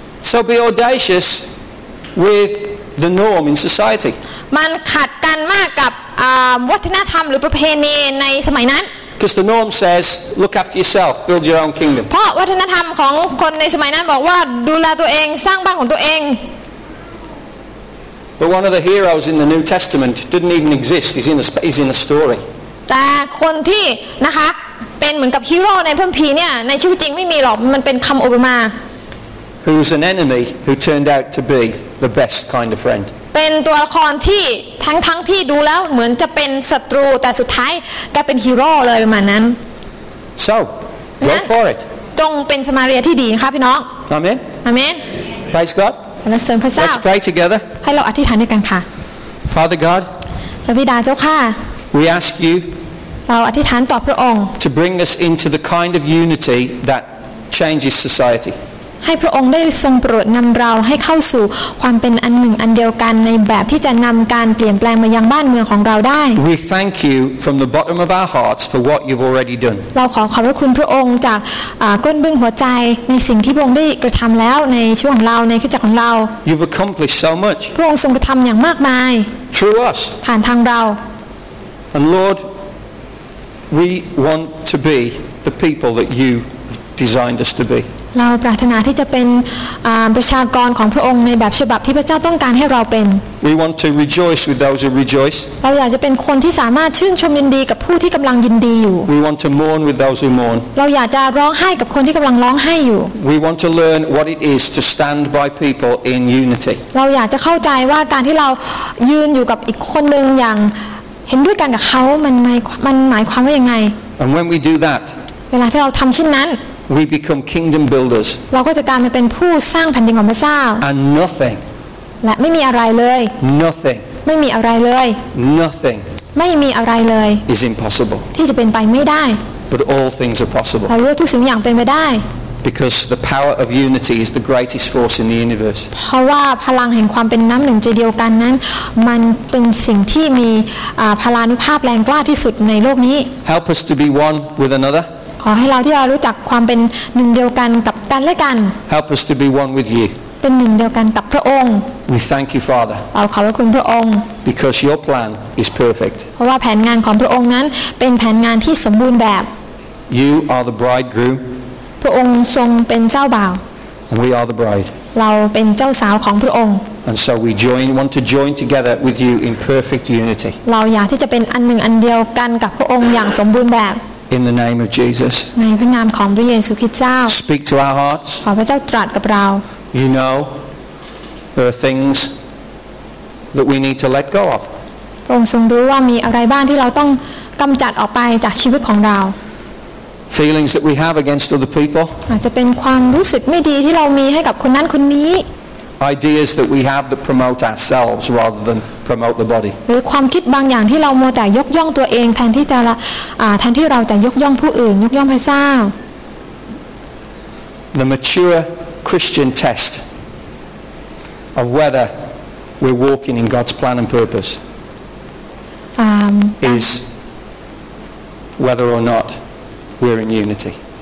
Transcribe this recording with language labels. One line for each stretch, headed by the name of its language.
English: so be audacious with the norm in society
Thai: มันขัดกันมากกับวัฒนธรรมหรือประเพณีในสมัยนั้น
English: Because the norm says, look after yourself, build your own kingdom.
Thai: เพราะวัฒนธรรมของคนในสมัยนั้นบอกว่าดูแลตัวเองสร้างบ้านของตัวเอง
English: But one of the heroes in the New Testament didn't even exist. He's in a story.
Thai: แต่คนที่นะคะเป็นเหมือนกับฮีโร่ในพระคัมภีร์เนี่ยในชีวิตจริงไม่มีหรอกมันเป็นคำอุปมา
English: Who's an enemy who turned out to be the best kind of friend?
Thai: เป็นตัวละครที่ทั้งที่ดูแล้วเหมือนจะเป็นศัตรูแต่สุดท้ายกลายเป็นฮีโร่เลยประมาณนั้น
English: So go for it
Thai: จงเป็นสมาเรียที่ดีค่ะพี่น้อง
English: Amen Amen Praise God Let's pray together
Thai: ให้เราอธิษฐานด้วยกันค่ะ
English: Father God
Thai: พระบิดาเจ้าค่ะ
English: We ask you
Thai: เราอธิษฐานต่อพระองค์
English: To bring us into the kind of unity that changes society
Thai: ให้พระองค์ได้ทรงโปรดนำเราให้เข้าสู่ความเป็นอันหนึ่งอันเดียวกันในแบบที่จะนำการเปลี่ยนแปลงมายังบ้านเมืองของเราได้
English: We thank you from the bottom of our hearts for what you've already done
Thai: เราขอขอบคุณพระองค์จากก้นบึ้งหัวใจในสิ่งที่พระองค์ได้กระทำแล้วในช่วงเราในคริสตจักรของเรา
English: You've accomplished so much
Thai: พระองค์ทรงกระทำอย่างมากมาย
English: Through us
Thai: ผ่านทางเรา
English: And Lord we want to be the people that you designed us to be
Thai: เราปรารถนาที่จะเป็นประชากรของพระองค์ในแบบฉบับที่พระเจ้าต้องการให้เราเป็น
English: We want to rejoice with those who rejoice
Thai: เราอยากจะเป็นคนที่สามารถชื่นชมยินดีกับผู้ที่กำลังยินดีอยู่
English: We want to mourn with those who mourn
Thai: เราอยากจะร้องไห้กับคนที่กำลังร้องไห้อยู่
English: We want to learn what it is to stand by people in unity
Thai: เราอยากจะเข้าใจว่าการที่เรายืนอยู่กับอีกคนนึงอย่างเห็นด้วยกันกับเขามันหมายความว่ายังไง
English: And when we do that
Thai: เวลาที่เราทำเช่นนั้น
English: We become kingdom builders.
Thai: เราก็จะกลายมาเป็นผู้สร้างแผ่นดินของพระเจ้า
English: And nothing.
Thai: และไม่มีอะไรเลย
English: Nothing.
Thai: ไม่มีอะไรเลย
English: Nothing.
Thai: ไม่มีอะไรเลย
English: Is impossible.
Thai: ที่จะเป็นไปไม่ได้
English: But all things are possible.
Thai: เรารู้ว่าทุกสิ่งอย่างเป็นไปได้
English: Because the power of unity is the greatest force in the universe.
Thai: เพราะว่าพลังแห่งความเป็นน้ำหนึ่งใจเดียวกันนั้นมันเป็นสิ่งที่มีพลานุภาพแรงกล้าที่สุดในโลกนี้
English: Help us to be one with another.
Thai: ขอให้เราที่เรารู้จักความเป็นหนึ่งเดียวกันกับกันและกัน
English: Help us to be one with you
Thai: เป็นหนึ่งเดียวกันกับพระองค์
English: We thank you Father
Thai: เราขอบคุณพระองค์
English: Because your plan is perfect
Thai: เพราะว่าแผนงานของพระองค์นั้นเป็นแผนงานที่สมบูรณ์แบบ
English: You are the bridegroom
Thai: พระองค์ทรงเป็นเจ้าบ่าว
English: And we are the bride
Thai: เราเป็นเจ้าสาวของพระองค์
English: And so we join, want to join together with you in perfect unity
Thai: เราอยากที่จะเป็นอันหนึ่งอันเดียวกันกับพระองค์อย่างสมบูรณ์แบบ
English: In the name of Jesus.
Thai: ในพระนามของพระเยซูคริสต์เจ้า
English: Speak to our hearts.
Thai: ขอพระเจ้าตรัสกับเรา
English: You know, there are things that we need to let go of.
Thai: พระองค์ทรงรู้ว่ามีอะไรบ้างที่เราต้องกำจัดออกไปจากชีวิตของเรา
English: Feelings that we have against other people.
Thai: อาจจะเป็นความรู้สึกไม่ดีที่เรามีให้กับคนนั้นคนนี้
English: Ideas that we have that promote ourselves rather than promote the body.
Thai: หรือความคิดบางอย่างที่เรามัวแต่ยกย่องตัวเองแทนที่จะแทนที่เราจะยกย่องผู้อื่นยกย่องพระเจ้า
English: The mature Christian test of whether we're walking in God's plan and purpose is whether or not we're in unity.